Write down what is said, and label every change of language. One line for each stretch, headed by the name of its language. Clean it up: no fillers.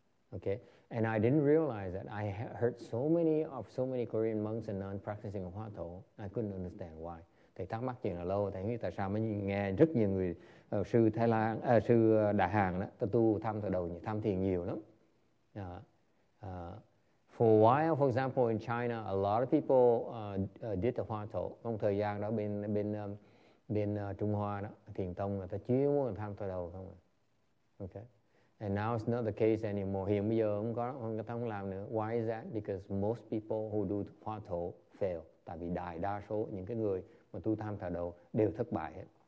English: Okay, and I didn't realize that I heard so many Korean monks and nuns practicing Hoa Thổ. I couldn't understand why.
Vietnamese: Thầy thắc mắc chuyện là lâu, thầy nghĩ tại sao mới nghe rất nhiều người sư Thái Lan, sư Đại Hàn đó, ta tu Tham Thọ Đầu, tham thiền nhiều lắm.
English: For a while, for example, in China, a lot of people did the Hoa Thổ.
Vietnamese: Trong thời gian đó bên Trung Hoa đó, thiền tông người ta chuyên muốn Tham Thọ Đầu không. Okay.
English: And now it's not the case anymore.
Vietnamese: Hiện bây giờ không làm nữa.
English: Why is that? Because most people who do the Hoa Thổ fail.
Vietnamese: Tại vì đại đa số những cái người mà tu Tham Thọ Đầu đều thất bại hết.